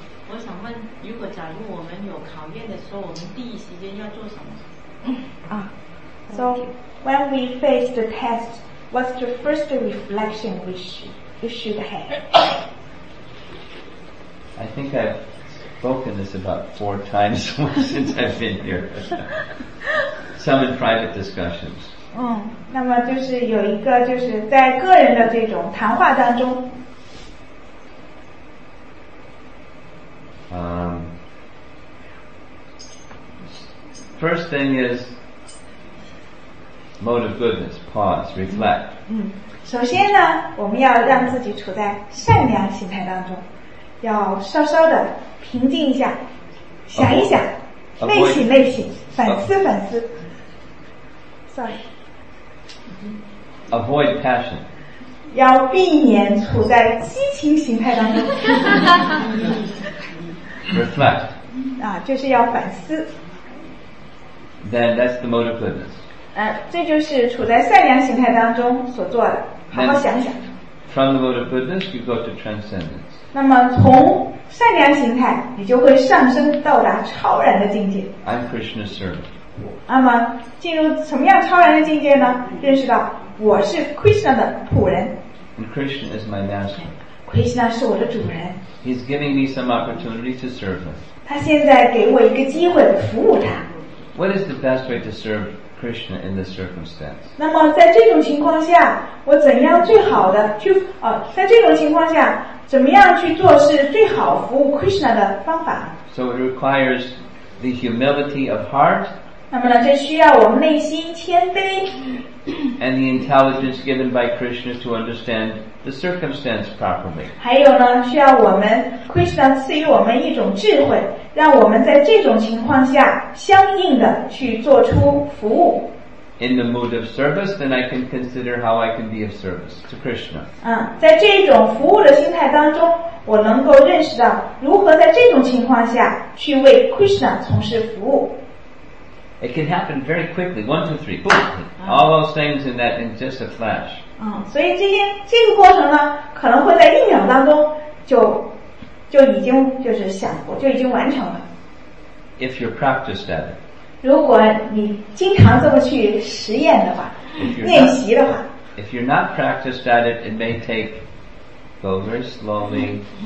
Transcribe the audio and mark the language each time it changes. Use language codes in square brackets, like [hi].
[zh] 我想问，如果假如我们有考验的时候，我们第一时间要做什么？ [en] So, when we face the test, what's the first reflection we should have? I think I've spoken this about 4 times since I've been here. Some in private discussions. [zh] 那么就是有一个就是在个人的这种谈话当中。 [en] First thing is,mode of goodness, pause, reflect. [zh] 首先呢，我们要让自己处在善良心态当中，要稍稍的平静一下，想一想，内省内省，反思反思。 [en] Sorry. Avoid passion. [zh] 要避免处在激情心态当中。 [en] Reflect. [zh] 就是要反思。 [en] Then that's the mode of goodness. [zh] 这就是处在善良形态当中所做的，好好想想。 [en] From the mode of goodness, you go to transcendence. [zh] 那么从善良形态，你就会上升到达超然的境界。 [en] I'm Krishna's servant. [zh] 那么进入什么样超然的境界呢？认识到我是 Krishna 的仆人。 [en] And Krishna is my master. [zh] Krishna 是我的主人。 [en] He's giving me some opportunity to serve him. [zh] 他现在给我一个机会服务他。 [en] What is the best way to serve? Krishna in this circumstance. [zh] 那么在这种情况下，我怎样最好的去在这种情况下，怎么样去做是最好服务 Krishna 的方法？ [en] So it requires the humility of heart [zh] 那么呢，这需要我们内心谦卑。 [en] And the intelligence given by Krishna to understand the circumstance properly. [zh] 还有呢，需要我们 Krishna 赐予我们一种智慧，让我们在这种情况下相应的去做出服务。 [en] In the mood of service, then I can consider how I can be of service to Krishna. [zh] 在这种服务的心态当中，我能够认识到如何在这种情况下去为 Krishna 从事服务。 [en] It can happen very quickly. 1, 2, 3, boom! All those things in that in just a flash. [zh] 所以这个过程呢，可能会在一秒当中就已经就是想过，就已经完成了。 [en] If you're practiced at it. [zh] 如果你经常这么去实验的话，练习的话。 [en] If you're not practiced at it, it may take go very slowly.